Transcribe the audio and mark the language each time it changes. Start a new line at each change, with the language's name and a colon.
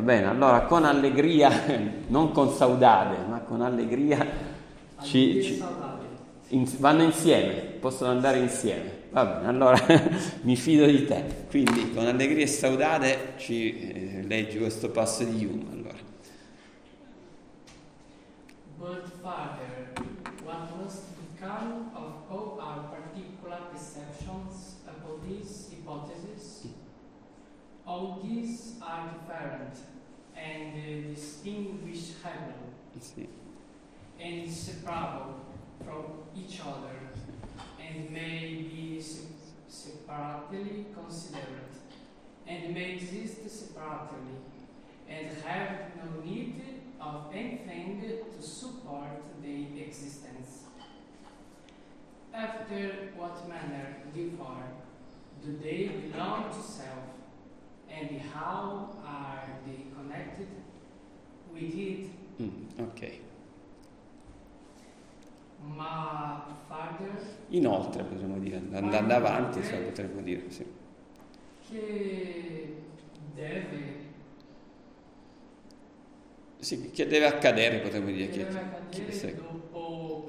Italian: Bene, allora con allegria, non con saudade, ma con allegria ci vanno insieme, possono andare insieme. Va bene, allora mi fido di te. Quindi con allegria e saudade ci leggi questo passo di Hume. Allora.
English: But further, what must become of all our particular perceptions about these hypotheses? All these are different and distinguishable.
Italian: Sì.
English: And inseparable from each other, and may be separately considered, and may exist separately, and have no need of anything to support the existence. After what manner, therefore, do they belong to self, and how are they connected with it? Okay.
Italian: Ma
English: farther,
Italian: inoltre possiamo dire, andando avanti, se potremmo dire, sì. Che deve, sì, che deve accadere, potremmo dire, dopo